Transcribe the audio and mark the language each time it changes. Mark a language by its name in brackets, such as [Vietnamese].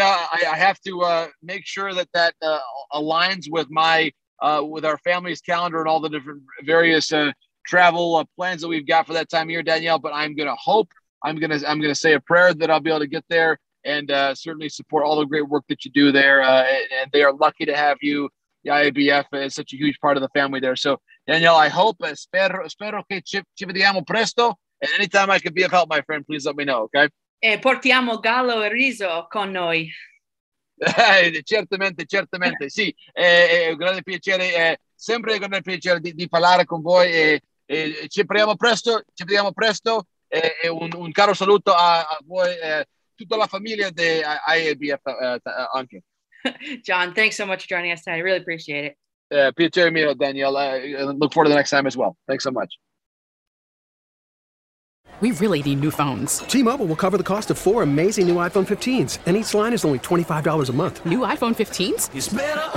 [English] I have to make sure that aligns with my, with our family's calendar and all the different various, travel plans that we've got for that time of year, Danielle, but I'm going to say a prayer that I'll be able to get there and certainly support all the great work that you do there. And they are lucky to have you. The IABF is such a huge part of the family there. So Danielle, I hope, [Italian] espero que ci vediamo presto. [English] And anytime I could be of help, my friend, please let me know. Okay. [Italian] Portiamo gallo e riso con noi. Certamente, certamente. Sì. Un grande piacere. Sempre un grande piacere di parlare con voi. Ci vediamo presto e un caro saluto a voi e tutta la famiglia di IABF anche. [English] John, thanks so much for joining us tonight. I really appreciate it. [Italian] Piacere mio, Daniel. [English] Look forward to the next time as well. Thanks so much. We really need new phones. T-Mobile will cover the cost of 4 amazing new iPhone 15s, and each line is only $25 a month. New iPhone 15s? It's better